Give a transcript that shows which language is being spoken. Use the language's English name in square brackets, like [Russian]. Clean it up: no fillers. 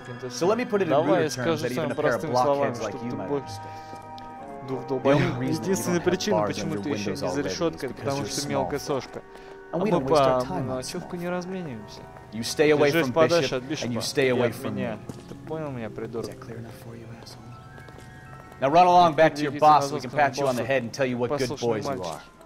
[English] So let me put it in rude terms that even a pair of blockheads like you might understand. [Russian] Единственная причина, почему ты еще не за решеткой, потому что мелкая сошка. [English] And we don't waste our time on this stuff. You stay away from Bishop, and you stay away from me. [Russian] Ты понял меня, придурок? [English] Is that clear enough for you, asshole? Now run along back to your boss, so we can pat you on the head and tell you what good boys you are.